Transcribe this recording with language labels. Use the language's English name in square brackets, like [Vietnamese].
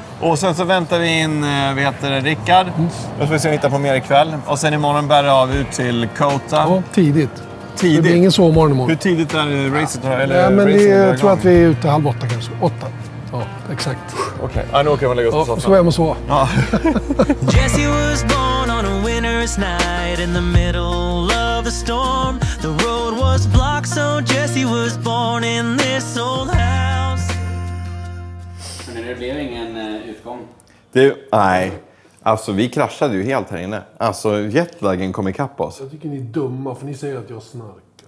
[Swedish] Och sen så väntar vi in, vi heter Rickard. Mm. Och så får vi se om vi hittar på mer ikväll. Och sen imorgon bär det av ut till Kota. Ja, tidigt. Tidigt? Det är ingen sovmorgon imorgon. Hur tidigt är det racet? Ja. Eller ja, men racing, jag tror att vi är ute 7:30 kanske. 8. Ja, exakt. Okej, okay. Nu åker jag och lägger oss på soffan. Så är jag med så. Ja. [English] Jesse was born on a winter's night in the middle of a storm. The road was blocked so Jesse was born in this old house. [Swedish] Det blev ingen utgång. Nej. Alltså, vi kraschade ju helt här inne. Alltså, jetlaggen kom ikapp oss. Jag tycker ni är dumma, för ni säger att jag snarkar.